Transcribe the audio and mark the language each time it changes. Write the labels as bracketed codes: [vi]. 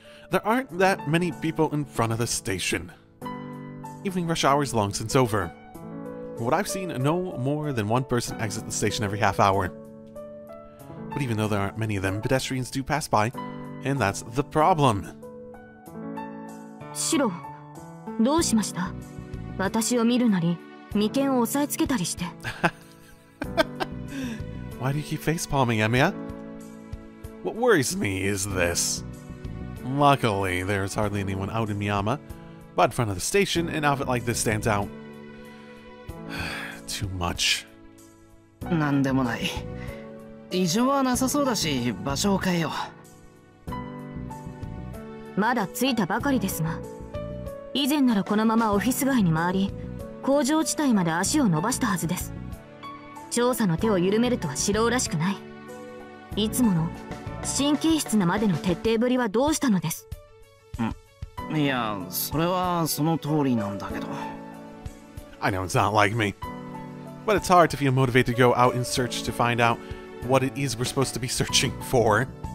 [en] There aren't that many people in front of the station. Evening rush hour is long since over. From what I've seen, no more than one person exits the station every half hour. But even though there aren't many of them, pedestrians do pass by, and that's the problem. [ja] シロ、どうしました？私を見るなり、眉間を押さえつけたりして。 [en] Why do you keep face-palming, Emiya? What worries me is this. Luckily, there is hardly anyone out in Miyama, but in front of the station, an outfit like this stands out. Too much. [ja] なんでもない。異常はなさそうだし、場所を変えよう。まだ着いたばかりですが、以前ならこのままオフィス街に回り、工場地帯まで足を伸ばしたはずです。調査の手を緩めるとは素人らしくない。いつもの神経質なまでの徹底ぶりはどうしたのです？いや、それはその通りなんだけど。 [en] I know it's not like me. But it's hard to feel motivated to go out in search to find out what it is we're supposed to be searching for.